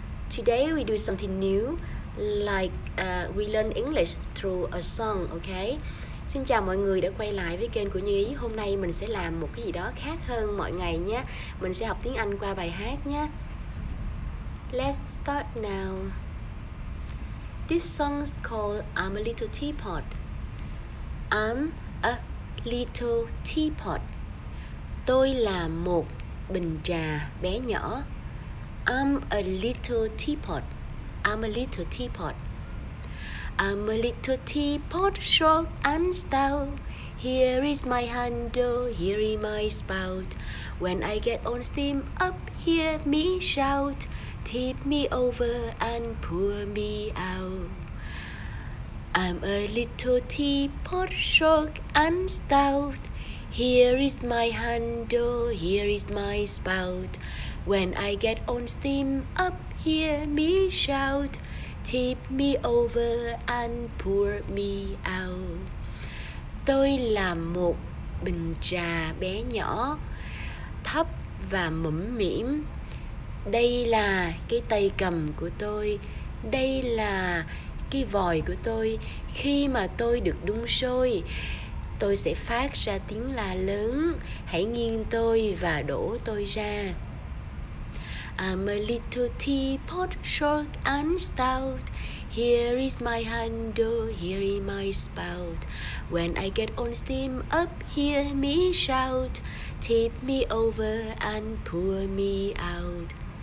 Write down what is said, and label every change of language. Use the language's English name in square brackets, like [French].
[English] Today we do something new, like we learn English through a song, okay? [Vietnamese] Xin chào mọi người đã quay lại với kênh của Như Ý. Hôm nay mình sẽ làm một cái gì đó khác hơn mọi ngày nhé. Mình sẽ học tiếng Anh qua bài hát nhé. [English] Let's start now. This song's called I'm a Little Teapot. I'm a little teapot. [Vietnamese] Tôi là một bình trà bé nhỏ. [English] I'm a little teapot. I'm a little teapot. I'm a little teapot, short and stout. Here is my handle, here is my spout. When I get on steam up, hear me shout. Tip me over and pour me out. I'm a little teapot, short and stout. Here is my handle, here is my spout. When I get on steam up, hear me shout. Tip me over and pour me out. [Vietnamese] Tôi là một bình trà bé nhỏ, thấp và mũm mĩm. Đây là cái tay cầm của tôi. Đây là cái vòi của tôi. Khi mà tôi được đun sôi, tôi sẽ phát ra tiếng la lớn. Hãy nghiêng tôi và đổ tôi ra. [English] I'm a little teapot, short and stout. Here is my handle, here is my spout. When I get on steam up, hear me shout. Tip me over and pour me out.